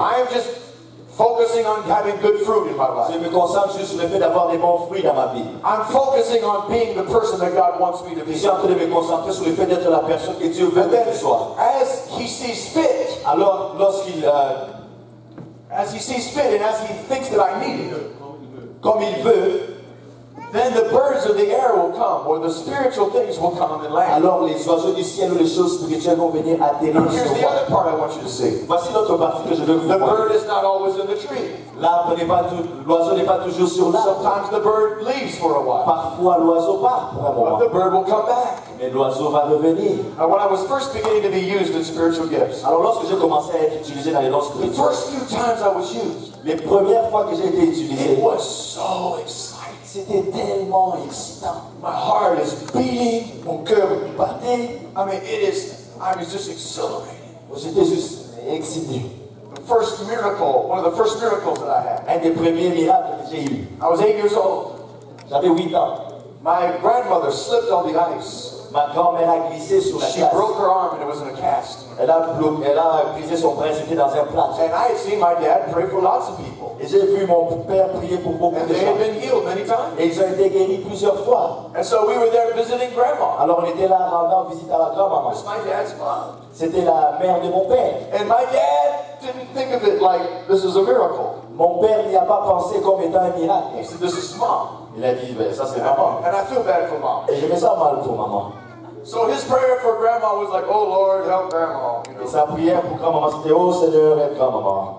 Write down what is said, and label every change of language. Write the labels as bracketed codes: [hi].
[en] I'm just focusing on having good fruit in my life. [fr] Je me concentre juste sur le fait d'avoir des bons fruits dans ma vie. [en] I'm focusing on being the person that God wants me to be. [fr] Je suis en train de me concentrer sur le fait d'être la personne que Dieu veut que je sois. [en] As He sees fit. [fr] Alors, lorsqu'il [en] as He sees fit and as He thinks that I need it. [fr] Comme il veut. [en] Then the birds of the air will come, or the spiritual things will come and land. [fr] Alors les oiseaux du ciel ou les choses spirituelles vont venir atterrir sur toi. [en] Here's the other part I want you to see. [fr] Voici l'autre partie que je veux vous montrer. [en] The bird is not always in the tree. [fr] L'oiseau n'est pas toujours sur l'arbre. [en] Sometimes the bird leaves for a while. [fr] Parfois l'oiseau part pour un moment. [en] But the bird will come back. [fr] Mais l'oiseau va revenir. [en] Now, when I was first beginning to be used in spiritual gifts. [fr] Alors lorsque j'ai commencé à être utilisé dans les dons spirituels. [en] The first few times I was used. [fr] Les premières fois que j'ai été utilisé. [en] It was so exciting. [fr] C'était tellement excitant. [en] My heart is beating. [fr] Mon cœur battait. [en] I mean, I was just exhilarating. [fr] J'étais juste excité. [en] The first miracle, one of the first miracles that I had. [fr] Un des premiers miracles que j'ai eu. [en] I was 8 years old. [fr] J'avais 8 ans. [en] My grandmother slipped on the ice. [fr] Ma grand-mère a glissé sur la glace. [en] She broke her arm and it was in a cast. [fr] Elle a glissé son bras, c'était dans un plat. [en] And I had seen my dad pray for lots of people. [fr] Et j'ai vu mon père prier pour beaucoup de gens. [en] Been healed many times. [fr] Et ils ont été guéris plusieurs fois. [en] And so we were there visiting grandma. [fr] Alors on était là en rendant visite à la grand-maman. [en] My dad's mom. [fr] C'était la mère de mon père. [en] And my dad didn't think of it like this is a miracle. [fr] Mon père n'y a pas pensé comme étant un miracle. [en] He said, this is mom. [fr] Il a dit, ben, ça c'est maman. [en] And I feel bad for mom. [fr] Et je me sens mal pour maman. [en] So his prayer for grandma was like, oh Lord, help grandma. You know? [fr] Et sa prière pour grand-maman, c'était, oh Seigneur, aide grand-maman.